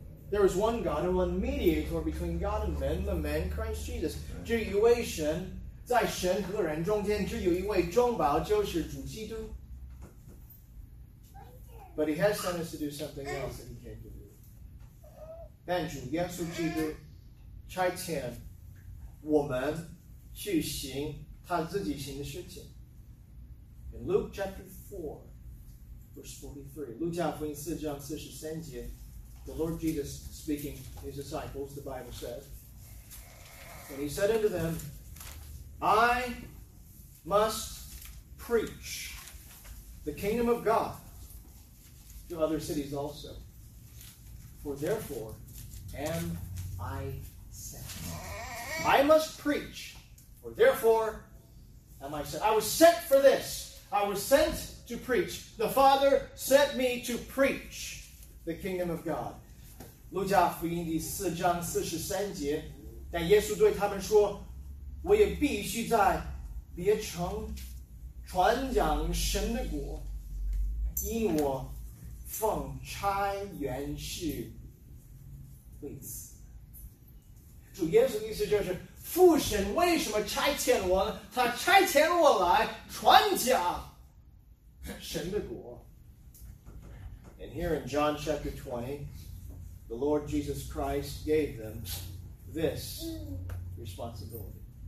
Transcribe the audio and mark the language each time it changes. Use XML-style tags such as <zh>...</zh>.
<en>There is one God and one mediator between God and men, the man Christ Jesus.</en> <zh>只有一位神在神和人中间只有一位中保就是主基督。</zh> <en>But he has sent us to do something else that he came to do.</en> <zh>但主耶稣基督差遣我们去行他自己行的事情。</zh> <en>In Luke chapter 4, verse 43,</en> <zh>路加福音四章四十三节,</zh> <en>the Lord Jesus speaking to his disciples, the Bible says, and he said unto them, I must preach the kingdom of God to other cities also, for therefore am I sent. I must preach, for therefore am I sent. I was sent for this. I was sent to preach. The Father sent me to preach the kingdom of God.</en> <zh>路加福音第四章四十三节，但耶稣对他们说：“我也必须在别城传讲神的国，因我奉差原是为此。”主耶稣的意思就是。父神为什么差遣我呢？他差遣我来传讲神的国。</zh> <en>And here in John chapter 20, the Lord Jesus Christ gave them this responsibility.</en>